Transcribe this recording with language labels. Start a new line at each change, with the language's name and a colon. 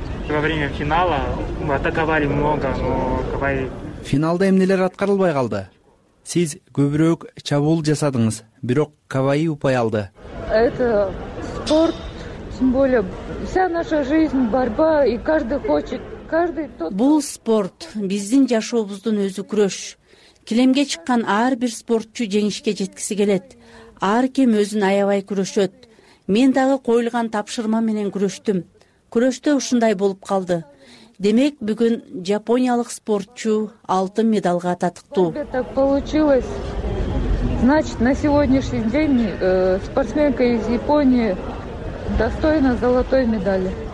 Russian: Во время финала мы атаковали много, но кабай.
Kyrgyz: Финалда эмнелер аткарылбай калды? Сиз көбүрөөк чабуул жасадыңыз, бирок кабай упай алды.
Russian: Это спорт, тем более вся наша жизнь борьба, и каждый хочет, каждый тот.
Kyrgyz: Бул спорт, биздин жашообуздун өзү күрөш. Килемге чыккан ар бир спортчу жеңишке жеткиси келет. Ар ким өзүн аябай күрөшөт. Мен дагы коюлган тапшырма менен күрөштүм. Күрөштө ушундай болуп калды. Демек, бүгүн жапониялык спортчу алтын медалга татыктуу.
Russian: Так получилось. Значит, на сегодняшний день спортсменка из Японии достойна золотой медали.